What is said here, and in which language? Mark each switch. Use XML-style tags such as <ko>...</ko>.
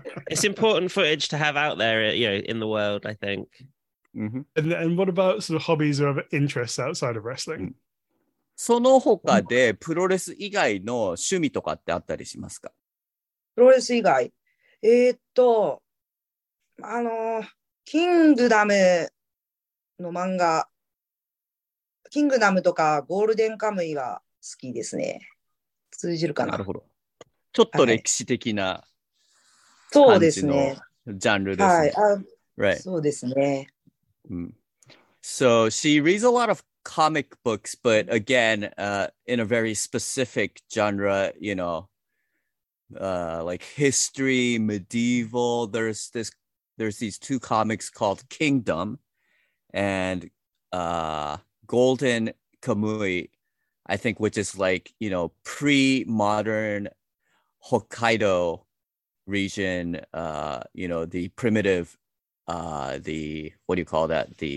<en>It's important footage to have out there, you know, in the world, I think.、 Mm-hmm. And what about sort of hobbies or other interests outside of wrestling?、Mm-hmm.</en> <ja>その他でプロレス以外の趣味とかってあったりしますか? プロレス以外。キングダムの漫画、キングダムとかゴールデンカムイが好きですね。通じるかな? なるほど。ちょっと歴史的な感じのジャンルですね。はい。Right. そうですね。</ja> <en>So, she reads a lot of comic books, but again, in a very specific genre, you know, like history, medieval. There's these two comics called Kingdom and Golden Kamuy, I think, which is like, you know, pre-modern Hokkaido region, you know, the primitive, the, what do you call that?</en>